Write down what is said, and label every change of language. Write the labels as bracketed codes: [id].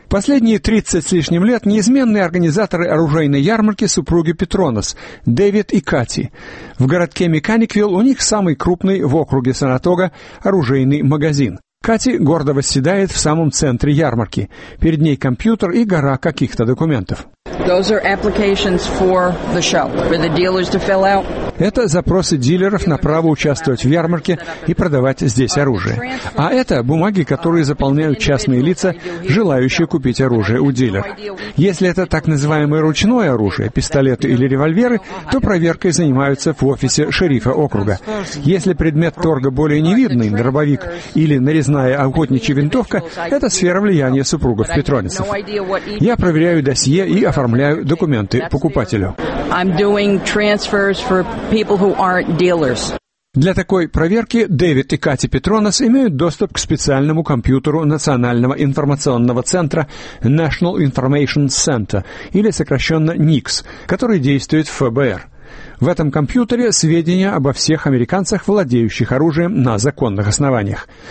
[ru] Последние 30 с лишним лет неизменные организаторы оружейной ярмарки супруги Петронос, Дэвид и Кати. В городке Меканиквилл у них самый крупный в округе Саратога оружейный магазин. Кати гордо восседает в самом центре ярмарки. Перед ней компьютер и гора каких-то документов. [en] Those are applications for the show, for the dealers to fill out. [ru] Это запросы дилеров на право участвовать в ярмарке и продавать здесь оружие. А это бумаги, которые заполняют частные лица, желающие купить оружие у дилера. Если это так называемое ручное оружие, пистолеты или револьверы, то проверкой занимаются в офисе шерифа округа. Если предмет торга более невидный, дробовик или нарезная охотничья винтовка, это сфера влияния супругов Петронисов. Я проверяю досье и оформляю документы покупателю. [en] I'm doing transfers for people who aren't dealers. [ru] Для такой проверки Дэвид и Кати Петронос имеют доступ к специальному компьютеру Национального информационного центра National Information Center, или сокращенно NICS, который действует в ФБР. В этом компьютере сведения обо всех американцах, владеющих оружием на законных основаниях.